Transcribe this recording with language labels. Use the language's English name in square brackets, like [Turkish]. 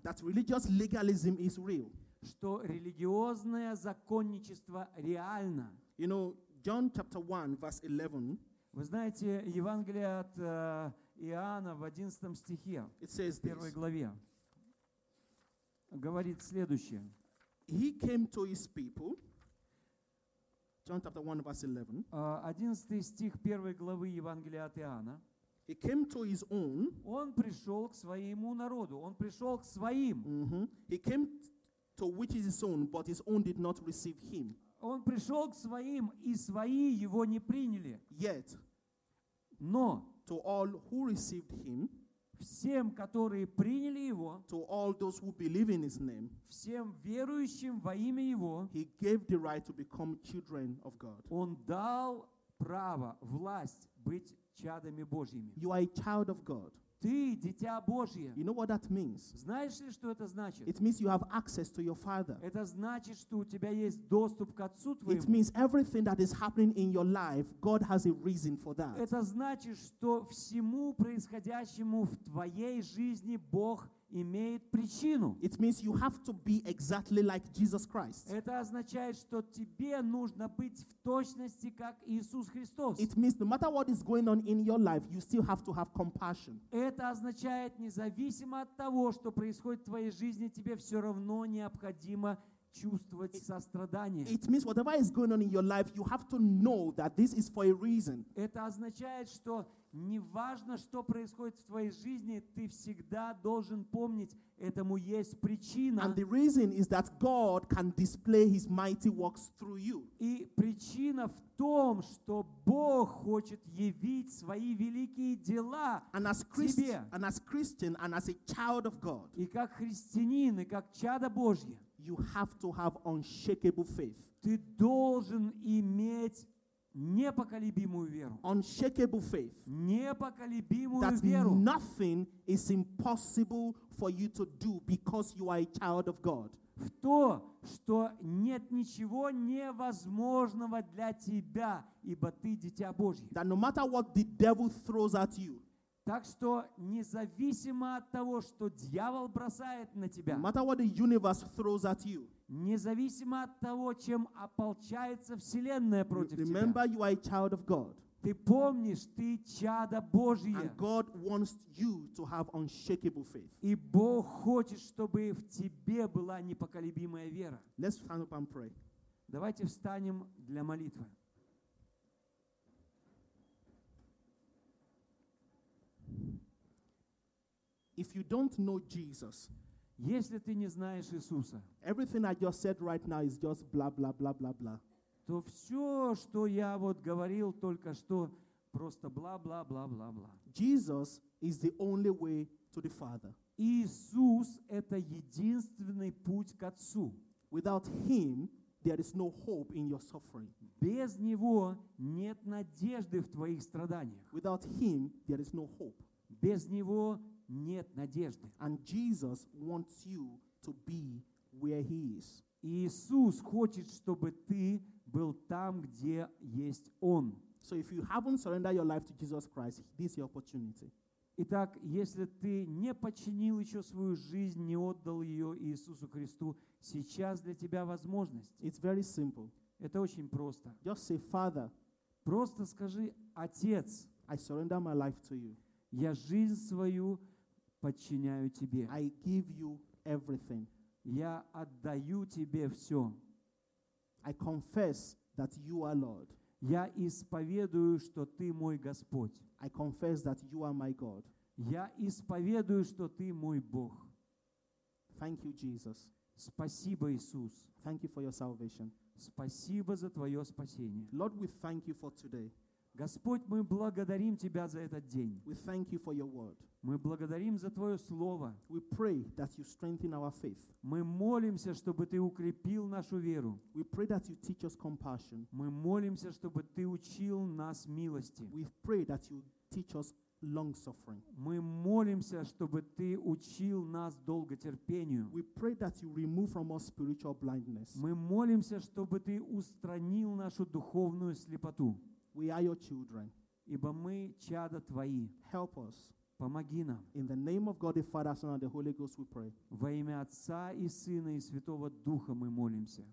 [English] That religious legalism is real. [Russian] Что религиозное законничество реально. [English] You know, John chapter 1, verse 11. [Russian] Вы знаете, Евангелие от Иоанна в 11 стихе, [English] it says [Russian] в первой [English] this. [Russian] Главе, говорит следующее. [English] He came to his people. John chapter 1 verse 11. [Russian] 11 стих 1 главы Евангелия от Иоанна. [English] He came to his own. [Russian] Он пришел к своему народу. Он пришел к своим. Mm-hmm. [English] He came to which is his own, but his own did not receive him. [Russian] Он пришел к своим, и свои его не приняли. [English] Yet, [Russian] но [English] to all who received him, [Russian] всем, которые приняли его, [English] to all those who believe in his name, [Russian] всем верующим во имя его, [English] he gave the right to become children of God. [Russian] Он дал право, власть быть чадами Божьими. [English] You are a child of God. [Russian] Ты дитя Божье. [English] You know what that means? [Russian] Знаешь ли, что это значит? [English] It means you have access to your father. [Russian] Это значит, что у тебя есть доступ к отцу твоему. [English] It means everything that is happening in your life, God has a reason for that. [Russian] Это значит, что всему происходящему в твоей жизни Бог имеет причину. [English] It means you have to be exactly like Jesus Christ. [Russian] Это означает, что тебе нужно быть в точности как Иисус Христос. [English] It means no matter what is going on in your life, you still have to have compassion. [Russian] Это означает, независимо от того, что происходит в твоей жизни, тебе все равно необходимо чувствовать сострадание. [English] It means whatever is going on in your life, you have to know that this is for a reason. [Russian] Это означает, что неважно, что происходит в твоей жизни, ты всегда должен помнить, этому есть причина. [English] And the reason is that God can display his mighty works through you. [Russian] И причина в том, что Бог хочет явить свои великие дела тебе. [English] And as Christian and as a child of God. [Russian] И как христианин, и как чадо Божье. [English] You have to have unshakable faith. [Russian] Ты должен иметь непоколебимую веру. [English] Unshakable faith. [Russian] Непоколебимую [English] that [Russian] веру. [English] That nothing is impossible for you to do because you are a child of God. [Russian] В то, что нет ничего невозможного для тебя, ибо ты дитя Божье. [English] That no matter what the devil throws at you. [Russian] Так что независимо от того, что дьявол бросает на тебя, [English] no matter what the universe throws at you, [Russian] независимо от того, чем ополчается вселенная против [English] remember, [Russian] тебя, [English] you are a child of God. [Russian] Ты помнишь, ты чадо Божье. [English] And God wants you to have unshakable faith. [Russian] И Бог хочет, чтобы в тебе была непоколебимая вера. [English] Let's stand up and pray. [Russian] Давайте встанем для молитвы. [English] If you don't know Jesus, [Russian] если ты не знаешь Иисуса, [English] everything I just said right now is just blah blah blah blah blah. [Russian] То все, что я вот говорил только что, просто бла бла бла бла бла. [English] Jesus is the only way to the Father. [Russian] Иисус это единственный путь к Отцу. [English] Without Him, there is no hope in your suffering. [Russian] Без него нет надежды в твоих страданиях. [English] Without Him, there is no hope. [Russian] Без него нет надежды. [English] And Jesus wants you to be where he is. [Russian] Иисус хочет, чтобы ты был там, где есть он. [English] So if you haven't surrendered your life to Jesus Christ, this is your opportunity. [Russian] Итак, если ты не подчинил еще свою жизнь, не отдал ее Иисусу Христу, сейчас для тебя возможность. [English] It's very simple. [Russian] Это очень просто. [English] Just say, Father, [Russian] просто скажи, Отец, [English] I surrender my life to you. [Russian] Я жизнь свою подчиняю тебе. [English] I give you everything. [Russian] Я отдаю тебе все. [English] I confess that you are Lord. [Russian] Я исповедую, что ты мой Господь. [English] I confess that you are my God. [Russian] Я исповедую, что ты мой Бог. [English] Thank you, Jesus. [Russian] Спасибо, Иисус. [English] Thank you for your salvation. [Russian] Спасибо за твое спасение. [English] Lord, we thank you for today. [Russian] Господь, мы благодарим Тебя за этот день. [English] We thank you for your word. [Russian] Мы благодарим за Твое Слово. [English] We pray that you strengthen our faith. [Russian] Мы молимся, чтобы Ты укрепил нашу веру. [English] We pray that you teach us compassion. [Russian] Мы молимся, чтобы Ты учил нас милости. [English] We pray that you teach us long-suffering. [Russian] Мы молимся, чтобы Ты учил нас долготерпению. [English] We pray that you remove from us spiritual blindness. [Russian] Мы молимся, чтобы Ты устранил нашу духовную слепоту. [English] We are your children. [Russian] Ибо мы чадо твои. [English] Help us. [Russian] Помоги нам. [English] In the name of God, the Father, Son, and the Holy Ghost, we pray. [Russian] Во имя Отца и Сына и Святого Духа мы молимся.